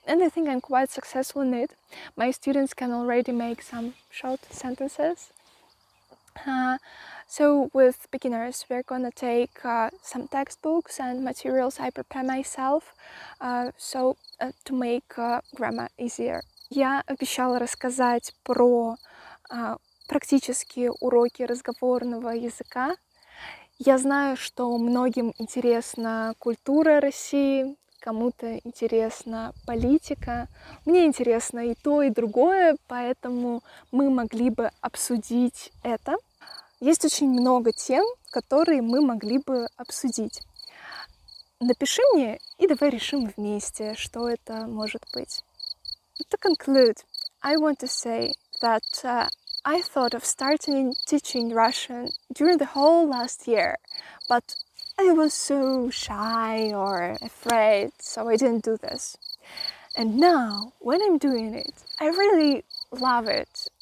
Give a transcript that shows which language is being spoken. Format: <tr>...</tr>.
<en>And I think I'm quite successful in it. My students can already make some short sentences. So with beginners, we're gonna take some textbooks and materials I prepare myself, to make grammar easier.</en> <ru>Я обещала рассказать про практические уроки разговорного языка. Я знаю, что многим интересна культура России, кому-то интересна политика. Мне интересно и то, и другое, поэтому мы могли бы обсудить это. Есть очень много тем, которые мы могли бы обсудить. Напиши мне, и давай решим вместе, что это может быть.</ru> <en>To conclude, I want to say that I thought of starting teaching Russian during the whole last year, but I was so shy or afraid, so I didn't do this. And now, when I'm doing it, I really love it.</en>